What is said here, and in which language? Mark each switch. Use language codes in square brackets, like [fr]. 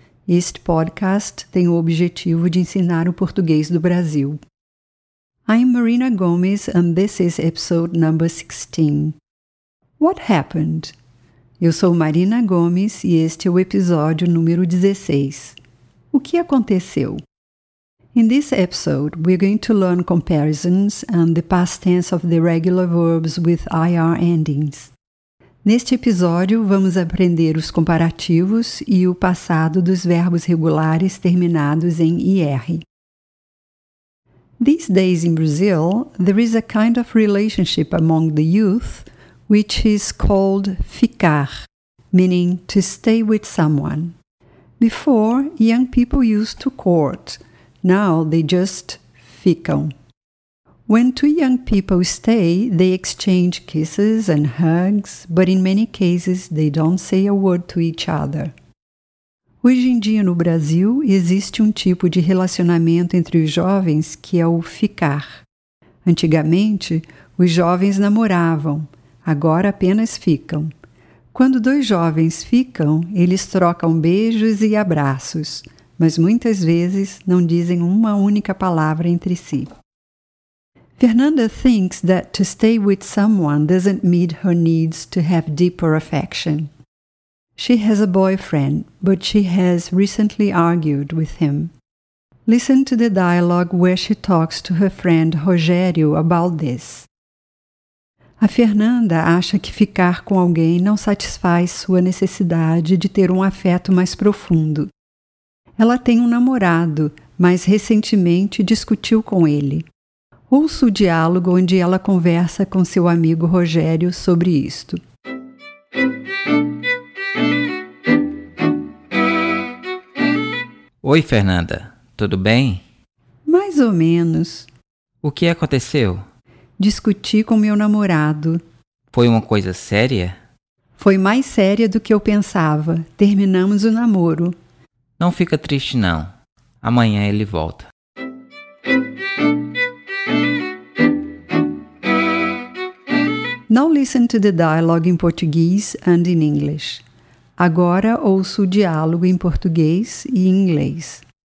[pt] Este podcast tem o objetivo de ensinar o português do Brasil. [en] I'm Marina Gomes and this is episode number 16. What happened? [pt] Eu sou Marina Gomes e este é o episódio número 16. O que aconteceu? [en] In this episode, we're going to learn comparisons and the past tense of the regular verbs with IR endings. [pt] Neste episódio, vamos aprender os comparativos e o passado dos verbos regulares terminados em IR. [en] These days in Brazil, there is a kind of relationship among the youth which is called ficar, meaning to stay with someone. Before, young people used to court. Now they just ficam. When two young people stay, they exchange kisses and hugs, but in many cases they don't say a word to each other. [pt] Hoje em dia no Brasil existe tipo de relacionamento entre os jovens que é o ficar. Antigamente, os jovens namoravam, agora apenas ficam. Quando dois jovens ficam, eles trocam beijos e abraços, mas muitas vezes não dizem uma única palavra entre si. [en] Fernanda thinks that to stay with someone doesn't meet her needs to have deeper affection. She has a boyfriend, but she has recently argued with him. Listen to the dialogue where she talks to her friend Rogério about this. [pt] A Fernanda acha que ficar com alguém não satisfaz sua necessidade de ter afeto mais profundo. Ela tem namorado, mas recentemente discutiu com ele. Ouça o diálogo onde ela conversa com seu amigo Rogério sobre isto. Oi, Fernanda. Tudo bem? Mais ou menos. O que aconteceu? Discuti com meu namorado. Foi uma coisa séria? Foi mais séria do que eu pensava. Terminamos o namoro. Não fica triste, não. Amanhã ele volta. [en] Now listen to the dialogue in Portuguese and in English. [pt] Agora ouço o diálogo em português e inglês.